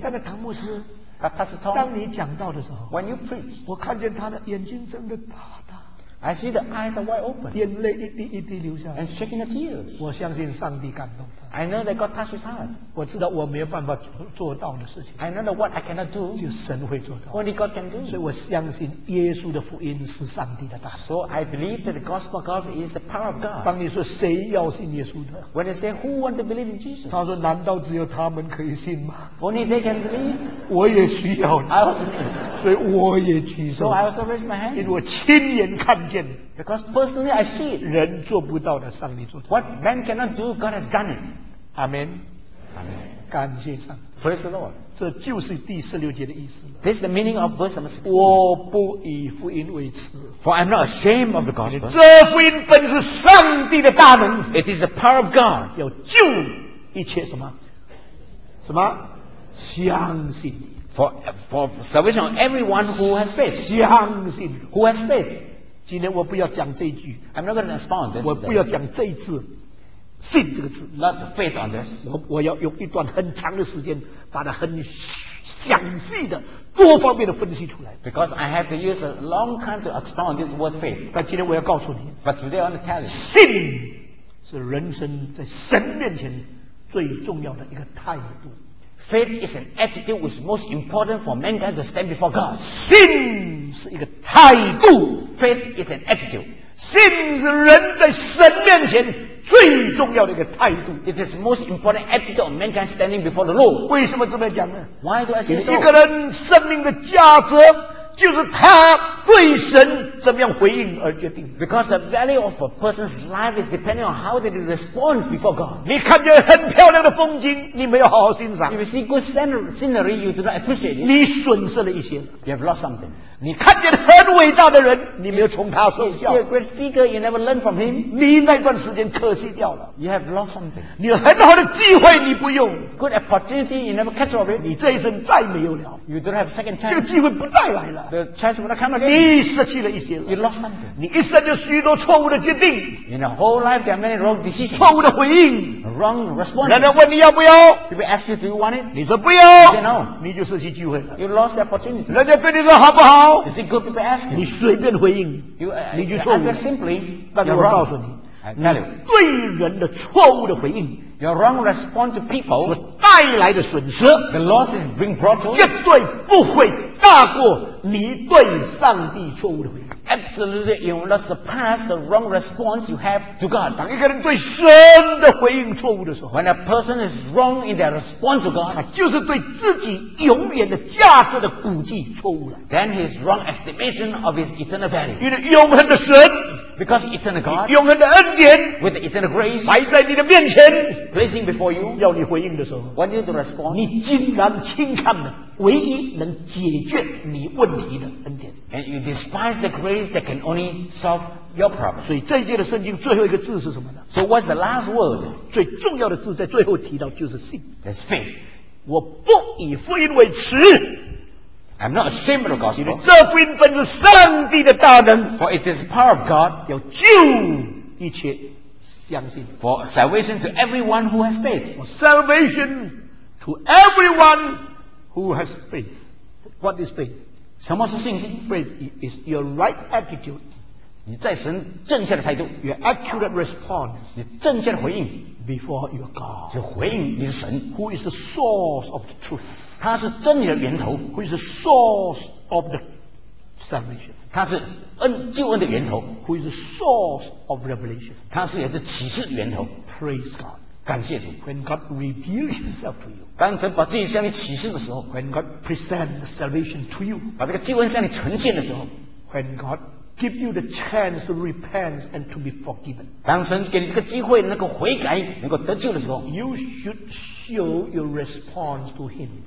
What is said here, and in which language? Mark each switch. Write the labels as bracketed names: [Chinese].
[Chinese] 但是唐牧师。 [English] Pastor Tom, [Chinese] 当你讲道的时候 [English] ，When you preach, [Chinese] 我看见他的眼睛睁得大。 [English] I see the eyes are wide open. [Chinese] 眼泪一滴一滴流下来。 [English] And shaking the tears. [Chinese] 我相信上帝感动他。 [English] I know that God touched his heart. [Chinese] 我知道我没有办法做到的事情。 [English] I know that what I cannot do. [Chinese] 就神会做到。 [English] Only God can do. [Chinese] 所以我相信耶稣的福音是上帝的大。 [English] So I believe that the gospel of God is the power of God. [Chinese] 当你说谁要信耶稣的 [English] ？When they say who want to believe in Jesus? [Chinese] 他说难道只有他们可以信吗 [English] ？Only they can believe. [Chinese] 我也需要你。所以我也举手。 [English] So I also raise my hand. [Chinese] 因为我亲眼看见。 [English] Because personally, I see it. [Chinese] 人做不到的，上帝做到。 [English] What man cannot do, God has done it. Amen. Amen. [Chinese] 感谢上 [English] 帝。Praise the Lord. [Chinese] 这就是第十六节的意思。 [English] This is the meaning of verse number 16. [Chinese] 我不以福音为耻。 [English] For I'm not ashamed of the gospel. [Chinese] 这福音本是上帝的大能。 [English] It is the power of God. [Chinese] 要救一切什么？什么？相信。 [English] For salvation of everyone who has faith. [Chinese] 相信。 [English] Who has faith? [Chinese] 今天我不要讲这一句 [English] I'm not going to respond this [Chinese] 我不要讲这一字信这个字 [English] Not faith on this [Chinese] 我要用一段很长的时间把它很详细的多方面的分析出来 [English] Because I have to use a long time to expound this word faith [Chinese] 但今天我要告诉你 [English] But today I want to tell you [Chinese] 信是人生在神面前最重要的一个态度 [English] Faith is an attitude which is most important for mankind to stand before God [Chinese] 信是一个态度 [English] Faith is an attitude. [Chinese] 信是人在神面前最重要的一个态度。 [English] It is the most important attitude of mankind standing before the Lord. [Chinese] 为什么这么讲呢 [English] ？Why do I say so? [Chinese] 一个人生命的价值就是他对神怎么样回应而决定。 [English] Because the value of a person's life is depending on how they respond before God. [Chinese] 你看见很漂亮的风景，你没有好好欣赏。 [English] If you see good scenery, you do not appreciate it. [Chinese] 你损失了一些。 [English] You have lost something. [Chinese] 你看见很伟大的人，你没有从他受教。 [English] He's a great figure, you never learn from him. [Chinese] 你那段时间可惜掉了。 [English] You have lost something. [Chinese] 你有很好的机会你不用。 [English] Good opportunity, you never catch of it. [Chinese] 你这一生再没有了。 [English] You don't have second chance. [Chinese] 这个机会不再来了。 [English] The chance will not come again. [Chinese] 你失去了一些了。 [English] You lost something. [Chinese] 你一生就许多错误的决定。 [English] In a whole life, there are many wrong decisions. [Chinese] 错误的回应。 [English] Wrong response. [Chinese] 人家问你要不要 [English] ？People ask you, do you want it? [Chinese] 你说不要。 [English] You say no. [Chinese] 你就失去机会了。 [English] You lost the opportunity. [Chinese] 人家对你说好不好？ [English] Is it good people ask you? [Chinese] 你随便回应你就说 [English] answer simply, [Chinese] 但我告诉你 [English] I tell you, [Chinese] 你对人的错误的回应 [English] Your wrong response to people [Chinese] 所带来的损失 [English] The loss is being brought to [Chinese] 绝对不会大过你对上帝错误的回应 [English] Absolutely, you will not surpass the wrong response you have to God [Chinese] 当一个人对神的回应错误的时候 [English] When a person is wrong in their response to God [Chinese] 他就是对自己永远的价值的估计错误了 [English] Then his wrong estimation of his eternal value [Chinese] 因为永恒的神 [English] Because eternal God [Chinese] 永恒的恩典 [English] With eternal grace [Chinese] 摆在你的面前 [English] Placing before you [Chinese] 要你回应的时候 [English] When you need to respond [Chinese] 你竟然轻看了唯一能解决你问题的恩典 [English] And you despise the grace that can only solve your problem [Chinese] 所以这一节的圣经最后一个字是什么呢 [English] So what's the last word? [Chinese] 最重要的字在最后提到就是信 [English] That's faith [Chinese] 我不以福音为耻 [English] I'm not ashamed of the gospel [Chinese] 这福音本是上帝的大能 [English] For it is the power of God [Chinese] 要救一切相信 [English] For salvation to everyone who has faith For salvation to everyone Who has faith? What is faith? [Chinese] 什么是信心 [English] Faith is your right attitude. [Chinese] 你在神正确的态度 [English] Your accurate response. [Chinese] 你正确的回应 [English] Before your God. [Chinese] 就回应你的神 [English] Who is the source of the truth? [Chinese] 他是真理的源头 [English] Who is the source of the salvation? [Chinese] 他是救恩的源头 [English] Who is the source of revelation? [Chinese] 他是也是启示源头 [English] Praise God. [Chinese] 感谢主。 [English] When God reveals Himself to you， [Chinese] 当神把自己向你启示的时候 [English] ，When God presents salvation to you， [Chinese] 把这个救恩向你呈现的时候 [English] ，When God give you the chance to repent and to be forgiven， [Chinese] 当神给你这个机会，能够悔改，能够得救的时候 [English] ，You should show your response to Him，